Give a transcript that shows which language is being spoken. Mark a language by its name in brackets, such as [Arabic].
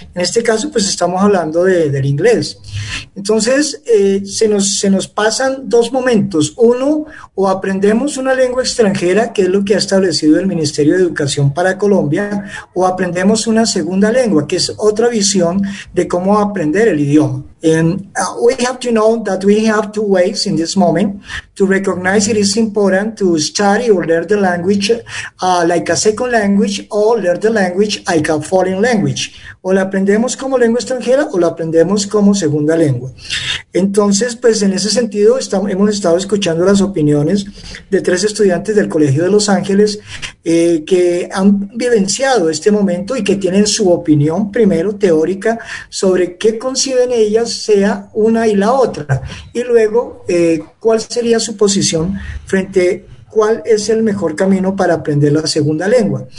[Spanish] En este caso, pues, estamos hablando del inglés. Entonces, se nos pasan dos momentos. Uno, o aprendemos una lengua extranjera, que es lo que ha establecido el Ministerio de Educación para Colombia, o aprendemos una segunda lengua, que es otra visión de cómo aprender el idioma. [English] And we have to know that we have two ways in this moment to recognize it is important to study or learn the language like a second language, or learn the language like a foreign language. [Spanish] O la aprendemos como lengua extranjera o la aprendemos como segunda lengua. Entonces, pues en ese sentido hemos estado escuchando las opiniones de tres estudiantes del Colegio de Los Ángeles que han vivenciado este momento y que tienen su opinión primero teórica sobre qué conciben ellas sea una y la otra, y luego cuál sería su posición frente cuál es el mejor camino para aprender la segunda lengua.